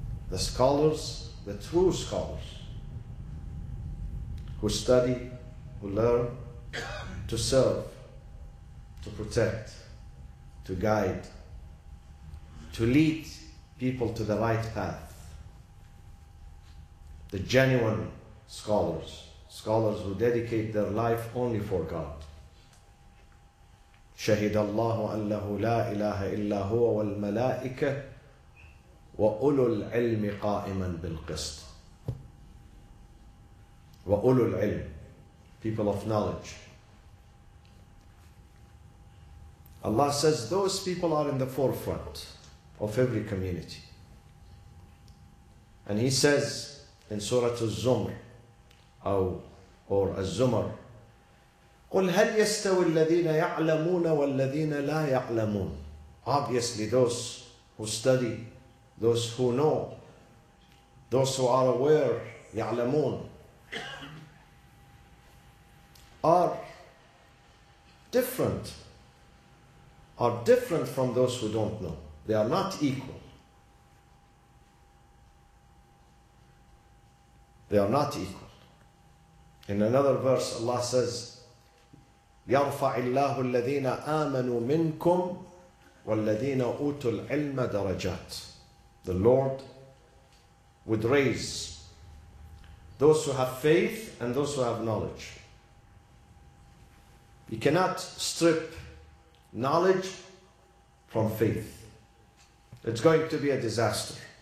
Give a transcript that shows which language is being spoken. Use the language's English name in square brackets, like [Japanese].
[English] The scholars, the true scholars, who study, who learn, to serve, to protect, to guide, to lead people to the right path. The genuine scholars, scholars who dedicate their life only for God. [Arabic] شهد الله أنه لا إله إلا هو والملائكة وأولو العلم قائما بالقسط. وأولو العلم, [English] people of knowledge. Allah says those people are in the forefront of every community. And He says in Surah Az-Zumr, or Az-Zumr, [Arabic] قُلْ هَلْ يَسْتَوِ الَّذِينَ يَعْلَمُونَ وَالَّذِينَ لَا يَعْلَمُونَ. [English] Obviously those who study, those who know, those who are aware, يعلمون, are different from those who don't know. They are not equal. They are not equal. In another verse, Allah says, [Arabic] يَرْفَعِ اللَّهُ الَّذِينَ آمَنُوا مِنْكُمْ وَالَّذِينَ أُوتُوا الْعِلْمَ دَرَجَاتٍ. [English] The Lord would raise those who have faith and those who have knowledge. You cannot strip knowledge from faith. It's going to be a disaster.